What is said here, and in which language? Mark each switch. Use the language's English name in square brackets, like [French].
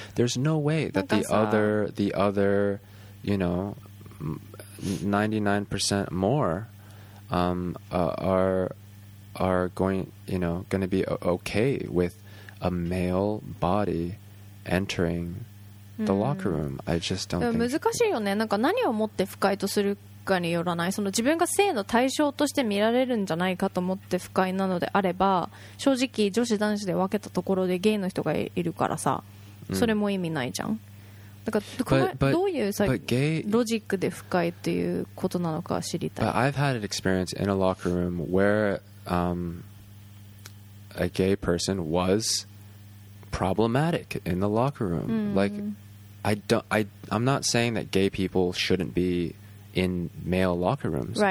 [English] There's no way that the other, you know, 99% more are going, you know, going to be okay with a male body entering the locker room. I just don't think. [Japanese] 難しいよね。なんか何をもって不快とするかによらない。その自分が性の対象として見られるんじゃないかと思って不快なのであれば、正直女子男子で分けたところでゲイの人がいるからさ、それも意味ないじゃん。だからどういうさ、ロジックで不快っていうことなのか知りたい。 [English] But I've had an experience in a locker room where a gay person was problematic in the locker room. Like, I'm not saying that gay people shouldn't be in male locker rooms.